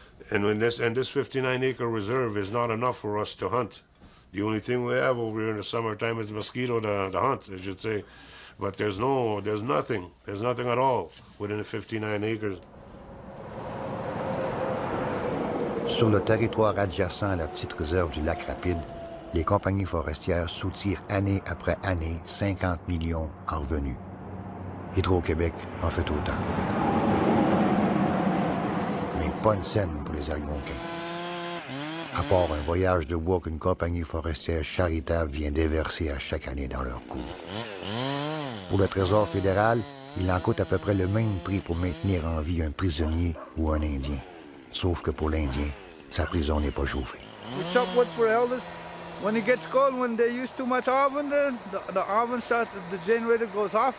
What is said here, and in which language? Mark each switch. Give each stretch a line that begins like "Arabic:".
English: And this 59-acre reserve is not enough for us to hunt. The only thing we have over here in the summertime is the mosquito to hunt, as you'd say. But there's nothing at all within the 59 acres.
French: Sur le territoire adjacent à la petite réserve du lac Rapide, les compagnies forestières soutirent année après année 50 millions en revenus. Hydro-Québec en fait autant. Pas une scène pour les Algonquins. À part un voyage de bois qu'une compagnie forestière charitable vient déverser à chaque année dans leur cours. Pour le Trésor fédéral, il en coûte à peu près le même prix pour maintenir en vie un prisonnier ou un Indien. Sauf que pour l'Indien, sa prison n'est pas chauffée.
English: We chop wood for elders. When it gets cold, when they use too much oven, the oven starts, the generator goes off.